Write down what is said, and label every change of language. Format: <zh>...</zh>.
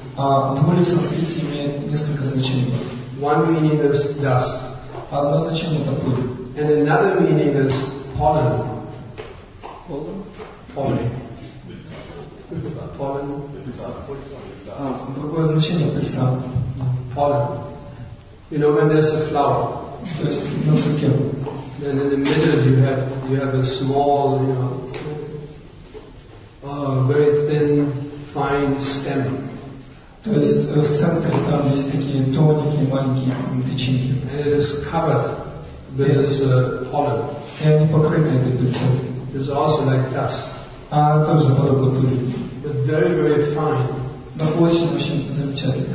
<ru>Dhuli в санскрите имеет несколько значений.</ru> <en>One meaning is dust.</en> <ru>Одно значение это пыль.</ru> <en>And another meaning is pollen. Pollen? Pollen. Pollen.</en> <ru>Другое значение пыльца.</ru> <en>Pollen. You know when there's a flower, then in the middle you have a small, very thin, fine stem.</en> <ru>То есть в центре там есть такие тоненькие маленькие тычинки.</ru> <en>It is covered with this pollen.</en> <ru>И они покрыты этой пыльцой.</ru> <en>It is also like dust.</en> <ru>А тоже подобно пыли.</ru> <en>But very, very fine.</en> <ru>Но очень-очень замечательно.</ru>